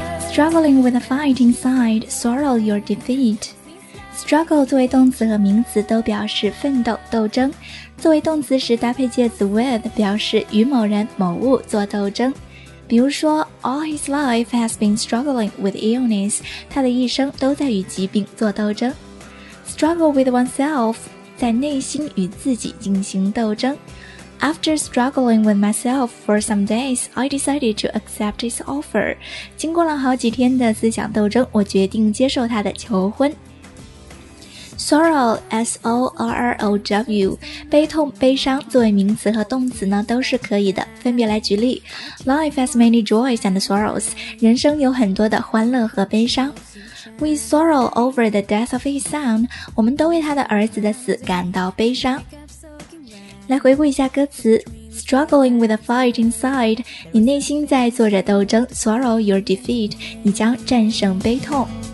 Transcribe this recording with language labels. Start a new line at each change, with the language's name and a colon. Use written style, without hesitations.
English: Struggling with a fight inside, swallow your defeat.
Chinese: Struggle 作为动词和名词都表示奋斗、斗争。作为动词时搭配介词 with， 表示与某人、某物做斗争。比如说
English: All his life has been struggling with illness.
Chinese: 他的一生都在与疾病做斗争。
English: Struggle with oneself,
Chinese: 在内心与自己进行斗争。
English: After struggling with myself for some days, I decided to accept his offer.
Chinese: 经过了好几天的思想斗争，我决定接受他的求婚。 Sorrow, S-O-R-R-O-W, 悲痛、悲伤作为名词和动词呢都是可以的。分别来举例 ,
English: Life has many joys and sorrows,
Chinese: 人生有很多的欢乐和悲伤。
English: We sorrow over the death of his son.
Chinese: 我们都为他的儿子的死感到悲伤。来回顾一下歌词
English: Struggling with a fight inside.
Chinese: 你内心在做着斗争
English: Sorrow your defeat.
Chinese: 你将战胜悲痛。